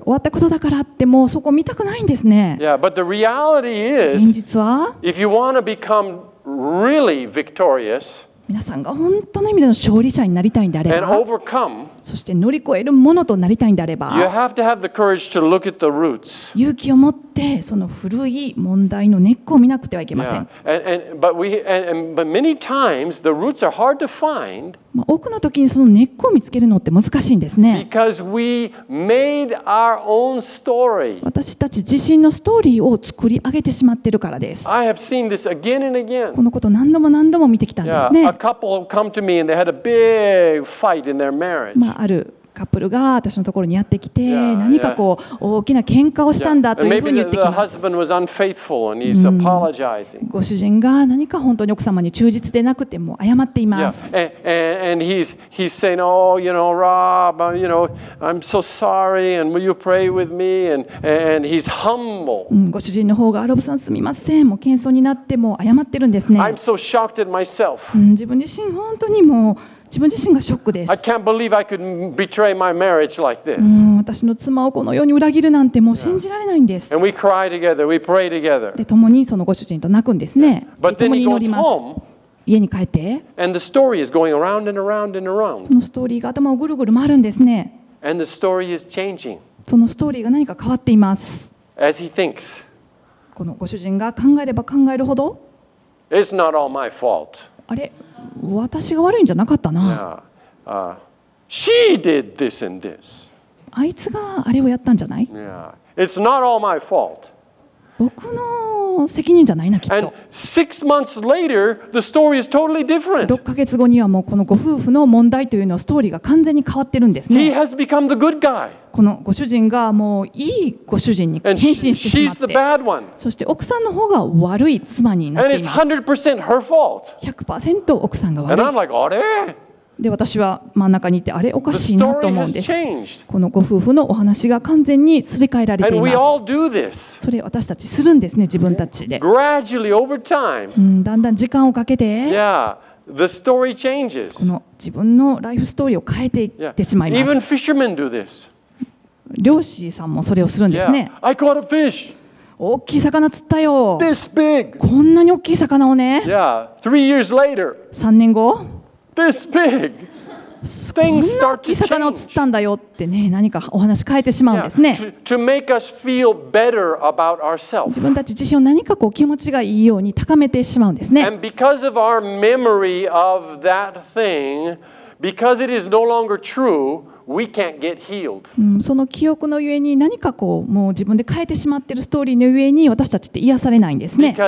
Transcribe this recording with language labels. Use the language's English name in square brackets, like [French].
[Japanese] 終わったことだからってもうそこ見たくないんですね。 [English] Yeah, but the reality is, [Japanese] 現実は、 [English] if you want to become really victorious, [Japanese] 皆さんが本当の意味での勝利者になりたいんであれば、 [English] and overcome, [Japanese] そして乗り越えるものとなりたいんであれば、 [English] you have to have the courage to look at the roots. [Japanese] 勇気を持ってその古い問題の根っこを見なくてはいけません。 [English] But many times the roots are hard to find. [Japanese] 多くの時にその根っこを見つけるのって難しいんですね。 [English] Because we made our own story. [Japanese] 私たち自身のストーリーを作り上げてしまってるからです。 [English] I have seen this again and again. [Japanese] このことを何度も何度も見てきたんですね。 [English] A couple come to me and they had a big fight in their marriage. [Japanese] まあ、あるカップルが私のところにやってきて、何かこう大きな喧嘩をしたんだというふうに言ってきます。 [English] Maybe the husband was unfaithful and he's apologizing. [Japanese] ご主人が何か本当に奥様に忠実でなくても謝っています。 [English] And he's saying, oh, you know, Rob, you know, I'm so sorry, and will you pray with me? And he's humble. [Japanese] ご主人の方が、ロブさんすみません、もう謙遜になっても謝ってるんですね。 [English] I'm so shocked at myself. [Japanese] 自分自身本当にもう自分自身がショックです。 [English] I can't believe I could betray my marriage like this. [Japanese] 私の妻をこのように裏切るなんてもう信じられないんです。 [English] And we cry together, we pray together. [Japanese] で、共にそのご主人と泣くんですね。 [English] But then he goes home. [Japanese] 家に帰って。 [English] And the story is going around and around and around. [Japanese] そのストーリーが頭をぐるぐる回るんですね。 [English] And the story is changing. [Japanese] そのストーリーが何か変わっています。 [English] As he thinks. [Japanese] このご主人が考えれば考えるほど。 [English] It's not all my fault. [Japanese] あれ？私が悪いんじゃなかったな。 [English] She did this and this. [Japanese] あいつがあれをやったんじゃない？ [English] Yeah. It's not all my fault. [Japanese] 僕の責任じゃないな、きっと。 [English] And six months later, the story is totally different. [Japanese] 6ヶ月後にはもうこのご夫婦の問題というのはストーリーが完全に変わってるんですね。 [English] He has become the good guy. [Japanese] このご主人がもういいご主人に変身してしまって、 [English] And she's the bad one. [Japanese] そして奥さんの方が悪い妻になっています。 [English] And it's 100% her fault. [Japanese] 100% 奥さんが悪い。 [English] And I'm like, あれ？ [Japanese] で、私は真ん中にいて、あれおかしいなと思うんです。このご夫婦のお話が完全にすり替えられています。それ私たちするんですね、自分たちで。だんだん時間をかけて、 [English] The story changes. [Japanese] この自分のライフストーリーを変えていってしまいます。 [English] Even fishermen do this. [Japanese] 漁師さんもそれをするんですね。 [English] Yeah. I caught a fish. [Japanese] 大きい魚釣ったよ。 [English] This big. [Japanese] こんなに大きい魚をね。 [English] Yeah. 3 years later. [Japanese] 3年後。 [English] This big. Things start to change. [Japanese] こんな大きい魚を釣ったんだよってね、何かお話変えてしまうんですね。 [English] To make us feel better about ourselves. [Japanese] 自分たち自身を何かこう気持ちがいいように高めてしまうんですね。 [English] And because of our memory of that thing, because it is no longer true, we can't get healed. [Japanese] その記憶のゆえに何かこうもう自分で変えてしまっているストーリーのゆえに私たちって癒されないんですね。